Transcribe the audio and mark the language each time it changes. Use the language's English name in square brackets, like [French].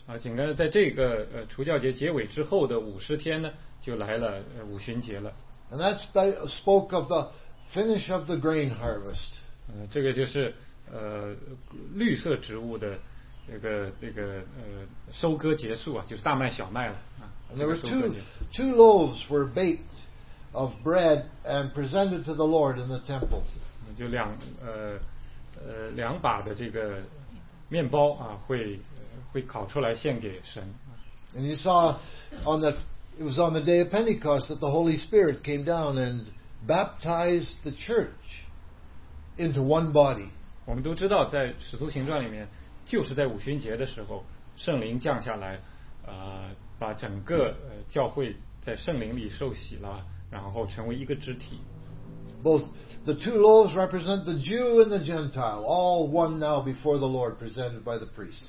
[Chinese] 啊，紧跟着在这个除酵节结尾之后的五十天呢，就来了五旬节了。 [English] And that spoke of the finish of the grain harvest. [Chinese] 这个就是绿色植物的这个收割结束啊，就是大麦小麦了啊。 [English] And there were two loaves were baked. Of bread and presented to the Lord in the temple. [Chinese] 就两把的这个面包啊，会烤出来献给神。 [English] And you saw it was on the day of Pentecost that the Holy Spirit came down and baptized the church into one body. [Chinese] 我们都知道，在《使徒行传》里面，就是在五旬节的时候，圣灵降下来，把整个教会在圣灵里受洗了。然后成为一个肢体。 [English] Both the two loaves represent the Jew and the Gentile, all one now before the Lord, presented by the priest.